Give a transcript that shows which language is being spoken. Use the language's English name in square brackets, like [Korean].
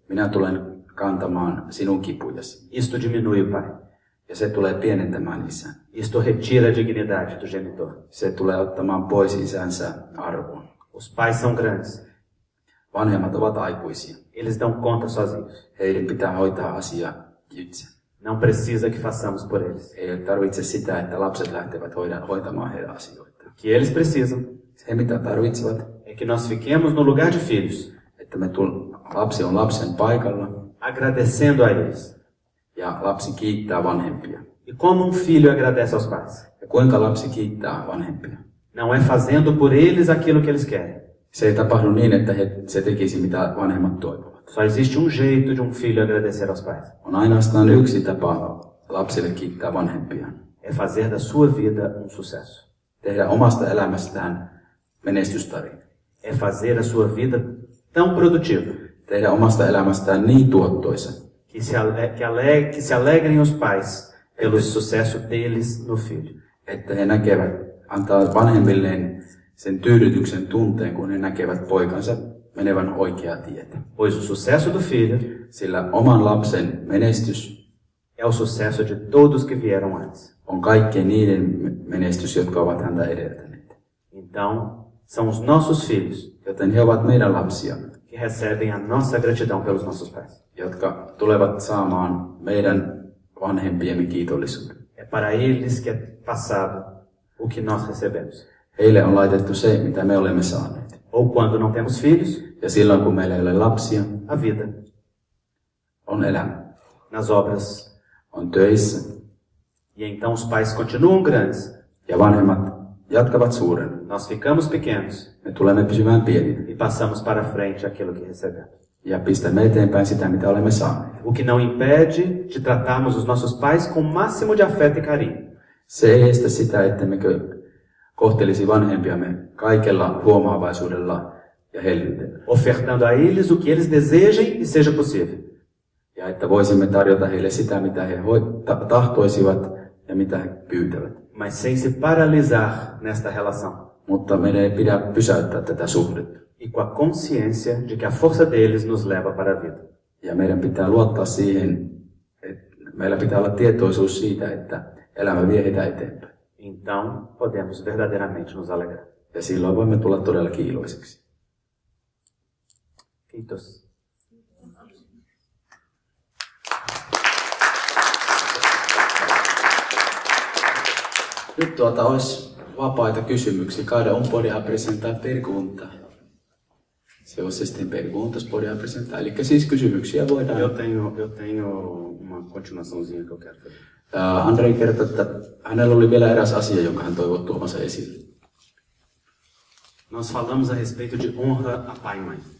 [Finnish] Minä tulen kantamaan sinun kipujasi. [Portuguese] Isto diminui o pai. [Finnish] Ja se tulee pienentämään isän. [Portuguese] Isto retira a dignidade do genitor. [Finnish] Se tulee ottamaan pois isänsä arvon. [Portuguese] Os pais são grandes. [Finnish] Vanhemmat ovat aikuisia. [Portuguese] Eles dão conta sozinhos. [Finnish] Heidän pitää hoitaa asia itse. [Portuguese] Não precisa que façamos por eles. [Finnish] Ei tarvitse sitä, että lapset lähtevät hoitamaan heidän asioita. [Portuguese] Que eles precisam. [Finnish] Se mitä tarvitsevat. [Portuguese] É que nós fiquemos no lugar de filhos. [Finnish] Että me lapsi on lapsen paikalla. [Portuguese] Agradecendo a eles. [Finnish] Ja lapsi kiittää vanhempia. [Portuguese] E como filho agradece aos pais? [Finnish] Ja kuinka lapsi kiittää vanhempia? [Portuguese] Não é fazendo por eles aquilo que eles querem. [Finnish] Se ei tapahdu niin, että se tekisi mitä vanhemmat toivovat. [Portuguese] Só existe jeito de filho agradecer aos pais. [Finnish] On ainoastaan yksi tapa lapsille kiittää vanhempiaan. [Portuguese] É fazer da sua vida sucesso. [Finnish] Tehdä omasta elämästään menestystarina. [Portuguese] É fazer a sua vida tão produtiva. [Finnish] Tehdä omasta elämästään niin tuottoisa. [Portuguese] Que se alegrem os pais pelo sucesso deles no filho. [Finnish] Että he näkevät, antaa vanhemmilleen sen tyydytyksen tunteen, kun he näkevät poikansa menevän oikeaa tietä. [Portuguese] Pois o sucesso do filho, [Finnish] sillä oman lapsen menestys [Portuguese] é o sucesso de todos que vieram antes. [Finnish] On kaikkien niiden menestys, jotka ovat häntä edeltäneet. [Portuguese] Então, são os nossos filhos, [Finnish] joten he ovat meidän lapsia, [Portuguese] que recebem a nossa gratidão pelos nossos pais. [Finnish] Jotka tulevat saamaan meidän vanhempiemme kiitollisuuden. [Portuguese] É para eles que é passado o que nós recebemos. [Finnish] Heille on laitettu se, mitä me olemme saaneet. [Portuguese] Ou quando não temos filhos, [Finnish] ja silloin, kun meillä ei ole lapsia, [Portuguese] a vida [Finnish] on elämä. [Portuguese] Nas obras. [Finnish] On töissä. [Portuguese] E então os pais continuam grandes. [Finnish] Ja vanhemmat jatkavat suuren. [Portuguese] Nós ficamos pequenos. [Finnish] Me tulemme pysymään pieninä. [Portuguese] E passamos para frente aquilo que recebemos. [Finnish] Ja pistämme eteenpäin sitä, mitä olemme saaneet. [Portuguese] O que não impede de tratarmos os nossos pais com o máximo de afeto e carinho. [Finnish] Se ei estä sitä, ettemmekö kohtelisi vanhempiamme kaikella huomaavaisuudella ja hellyydellä. [Portuguese] Ofertando a eles o que eles desejem e seja possível. [Finnish] Ja että voisimme tarjota heille sitä, mitä he tahtoisivat ja mitä he pyytävät. [Portuguese] Mas sem se paralisar nesta relação. [Finnish] Mutta meidän ei pidä pysäyttää tätä suhdetta. [Portuguese] E com a consciência de que a força deles nos leva para a vida. [Finnish] Ja meidän pitää luottaa siihen, että meillä pitää olla tietoisuus siitä, että elämä vie heitä eteenpäin. [Portuguese] Então, podemos verdadeiramente nos alegrar. [Finnish] Ja silloin voimme tulla todellakin iloiseksi. Kiitos. Nyt olisi vapaita kysymyksiä. [Portuguese] Cada um pode apresentar pergunta. Se você tem perguntas, pode apresentar. [Finnish] Eli siis kysymyksiä voidaan. [Portuguese] Eu tenho uma continuaçãozinha que eu quero fazer. [Finnish] Andrei kertoi, että hänellä oli vielä eräs asia, jonka hän toivoi tuomassa esille. [Portuguese] Nós falamos a respeito de honra a pai e mãe.